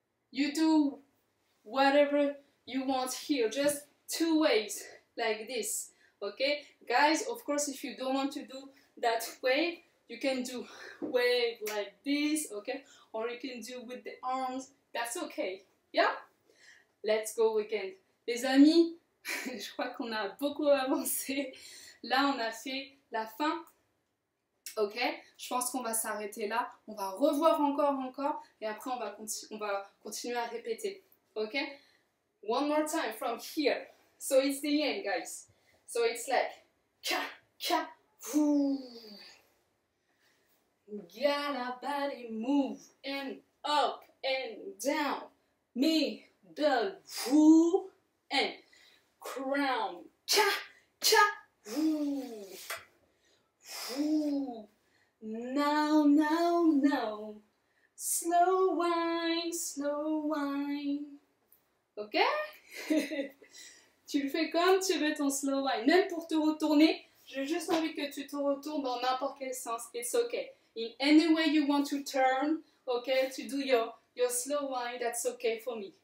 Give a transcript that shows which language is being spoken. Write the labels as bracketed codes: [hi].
[en] You do whatever you want here, just two ways like this. Okay? Guys, of course, if you don't want to do that way, you can do wave like this, okay? Or you can do with the arms, that's okay. Yeah? Let's go again. [fr] Les amis, je crois qu'on a beaucoup avancé. Là, on a fait la fin. Ok? Je pense qu'on va s'arrêter là. On va revoir encore. Et après, on va continuer à répéter. Ok? [en] One more time from here. So it's the end, guys. So it's like ka, ka, woo. Got a body move and up and down. Me. The woo and crown. Cha, cha, woo. Woo. Now, now, now. Slow wine. Ok? [fr] Tu le fais comme tu veux ton slow wine. Même pour te retourner, j'ai juste envie que tu te retournes dans n'importe quel sens. [en] It's ok. In any way you want to turn, ok? To do your slow wine, that's ok for me.